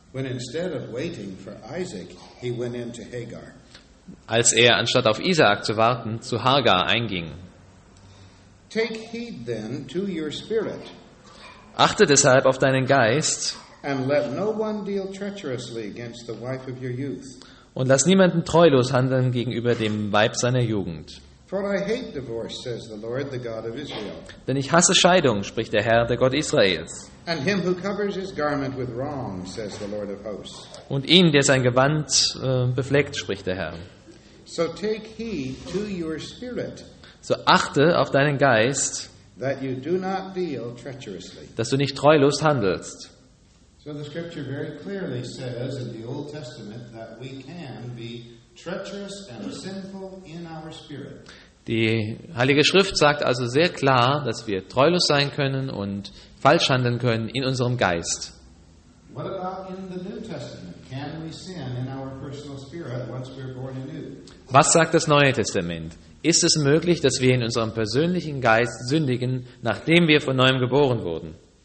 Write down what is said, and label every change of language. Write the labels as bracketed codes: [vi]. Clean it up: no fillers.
[en] When instead of waiting for Isaac, he went into Hagar. [de] Als er, anstatt auf Isaak zu warten, zu Hagar einging. [en] Take heed then to your spirit. [de] Achte deshalb auf deinen Geist. [en] And let no one deal treacherously against the wife of your youth. [de] Und lass niemanden treulos handeln gegenüber dem Weib seiner Jugend. [en] For I hate divorce, says the Lord, the God of Israel. [de] Denn ich hasse Scheidung, spricht der Herr, der Gott Israels. [en] And him who covers his garment with wrong, says the Lord of hosts. [de] Und ihn, der sein Gewand befleckt, spricht der Herr. [en] So take heed to your spirit. [de] So achte auf deinen Geist. [en] That you do not deal treacherously. [de] Dass du nicht treulos handelst. [en] So the scripture very clearly says in the Old Testament that we can be treacherous and sinful in our spirit. [de] Die Heilige Schrift sagt also sehr klar, dass wir treulos sein können und falsch handeln können in unserem Geist. [en] What about in the New Testament? Can we sin in our personal spirit once we're born anew? [de] Was sagt das Neue Testament? Ist es möglich, dass wir in unserem persönlichen Geist sündigen, nachdem wir von neuem geboren wurden?